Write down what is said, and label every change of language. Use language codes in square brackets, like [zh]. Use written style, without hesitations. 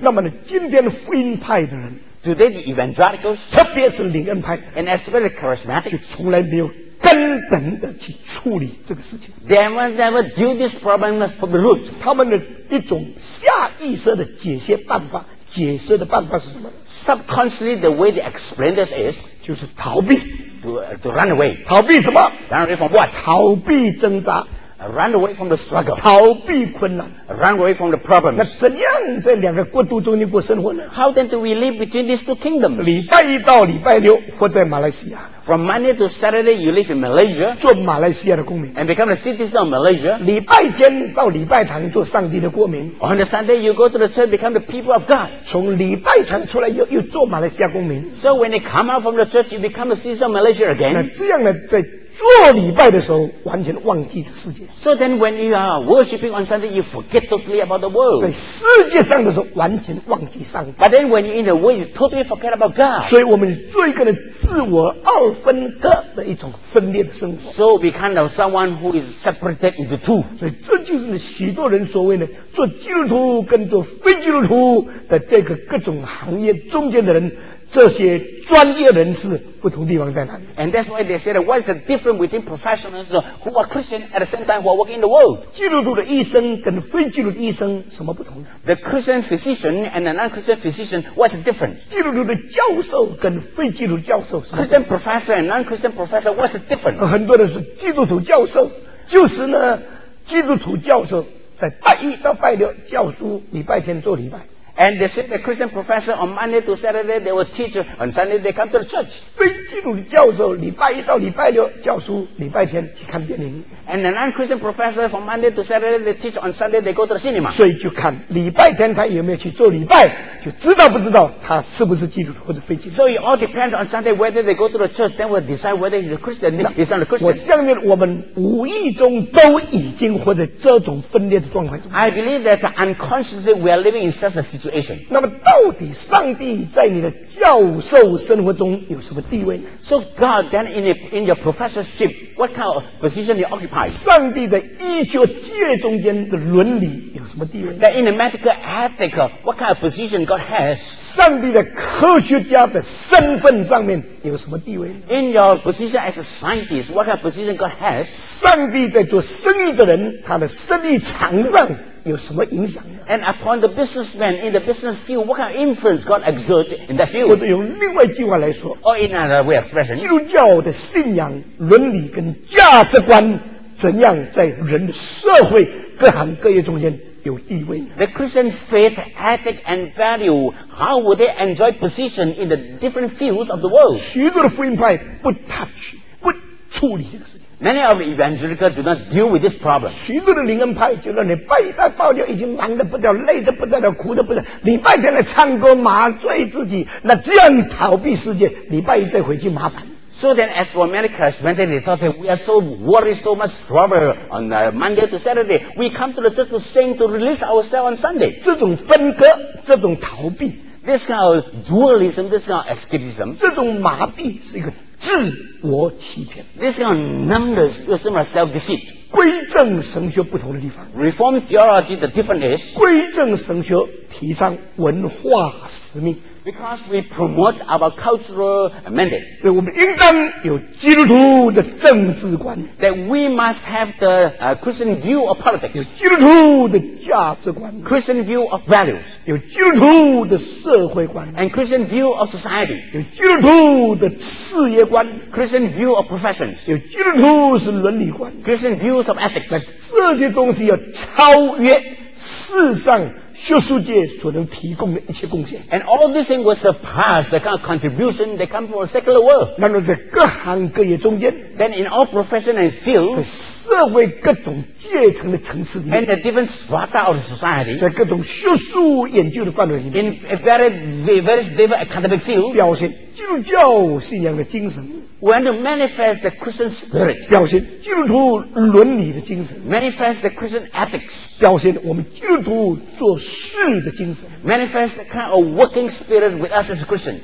[zh] 那么呢，今天福音派的人。 [en] Today the evangelicals, [zh] 特别是灵恩派 [en] and especially charismatic, [zh] 就从来没有根本的去处理这个事情。 [en] They will never deal this problem from the root. [zh] 他们的一种下意识的解释办法，解释的办法是什么 [en] ？Subconsciously, the way they explain this is, [zh] 就是逃避 [en] to run away. [zh] 逃避什么 [en] ？Run away from what? [zh] 逃避挣扎。 [en] Run away from the struggle. [zh] 逃避困难。 [en] Run away from the problems. [zh] 那怎样在两个国度中间过生活呢 [en] ？How then do we live between these two kingdoms? [zh] 礼拜一到礼拜六活在马来西亚。 [en] From Monday to Saturday, you live in Malaysia. [zh] 做马来西亚的公民。 [en] And become a citizen of Malaysia. [zh] 礼拜天到礼拜堂做上帝的国民。 [en] On the Sunday, you go to the church, become the people of God. [zh] 从礼拜堂出来又做马来西亚公民。 [en] So when you come out from the church, you become a citizen of Malaysia again. [zh] 那这样呢，在做礼拜的时候完全忘记了世界。 [en] So then when you are worshipping on Sunday, you forget totally about the world. [zh] 在世界上的时候完全忘记上帝。 [en] But then when you're in the world, you totally forget about God. [zh] 所以我们做一个人自我二分割的一种分裂的生活。 [en] So be kind of someone who is separated into two. [zh] 所以这就是许多人所谓的做基督徒跟做非基督徒的这个各种行业中间的人。这些专业人士不同地方在哪里 [en] ？And that's why they say that what is the difference between professionals who are Christian at the same time who are working in the world？ [zh] 基督徒的医生跟非基督徒医生什么不同 [en] ？The Christian physician and the non-Christian physician, what's the difference？ [zh] 基督徒的教授跟非基督徒教授 [en] ？Christian professor and non-Christian professor, what's the difference？ [zh] 很多人是基督徒教授，就是呢，基督徒教授在拜一到拜六教书，礼拜天做礼拜。 [en] And they say the Christian professor on Monday to Saturday they will teach on Sunday they come to the church. [zh] 非基督教授礼拜一到礼拜六教书，礼拜天去看电影。 [en] And the non-Christian professor from Monday to Saturday they teach on Sunday they go to the cinema. [zh] 所以就看礼拜天他有没有去做礼拜，就知道不知道他是不是基督徒或者非基督。 [en] So it all depends on Sunday whether they go to the church, then will decide whether he's a Christian or he's not a Christian. [zh] 我相信我们无意中都已经活在这种分裂的状况。 [en] I believe that unconsciously we are living in such a situation. [zh] 那么到底上帝在你的教授生活中有什么地位 [en] ？So God, then in your professorship, what kind of position you occupy? [zh] 上帝在医学界中间的伦理有什么地位 [en] ？Then in the medical ethic, what kind of position God has? [zh] 上帝的科学家的身份上面有什么地位 [en] ？In your position as a scientist, what kind of position God has? [zh] 上帝在做生意的人，他的生意场上。有什么影响 [en] And upon the businessman in the business field, what kind of influence God exerts in that field? [zh] 或者用另外一句话来说 [en] Or in another way of expression, [zh] 基督教的信仰、伦理跟价值观怎样在人的社会各行各业中间有地位 [en] The Christian faith, ethic and value, how would they enjoy position in the different fields of the world? [zh] 许多的福音派不 touch, 不处理这个事情 [en] Many of the evangelicals do not deal with this problem. [zh] 许多的灵恩派就让你拜一到拜六已经忙得不得了，累得不得了，苦得不得了。礼拜天来唱歌麻醉自己，那这样逃避世界，礼拜一再回去麻烦。 [en] So then, as for many Christians, they thought that we are so worried, so much trouble on Monday to Saturday, we come to the church to sing to release ourselves on Sunday. [zh] 这种分割，这种逃避 [en] ，this kind of dualism, this kind of escapism, [zh] 这种麻痹是一个。自我欺骗 [en] This is a numbness of self-deceit [zh] 归正神学不同的地方 [en] Reform theology the difference is [zh] 归正神学提倡文化使命 [en] Because we promote our cultural mandate [zh] 对我们应当有基督徒的政治观 [en] That we must have the Christian view of politics [zh] 有基督徒的价值观 [en] Christian view of values [zh] 有基督徒的社会观 [en] And Christian view of society [zh] 有基督徒的事业观 [en] Christian view of professions [zh] 有基督徒是伦理观 [en] Christian views of ethics [zh] 那这些东西要超越世上学术界所能提供的一切贡献 [en] and all these things will surpass the kind of contribution that come from a secular world [zh] 那么在各行各业中间 [en] then in all professions and fields [zh] 社会各种阶层的层次里面 [en] and the different strata of society [zh] 在各种学术研究的范围里面 [en] in a various different academic field [zh] 表现基督教信仰的精神 [en] when to manifest the Christian spirit [zh] 表现基督徒伦理的精神 [en] manifest the Christian ethics [zh] 表现我们基督徒做事的精神 [en] manifest the kind of working spirit with us as Christians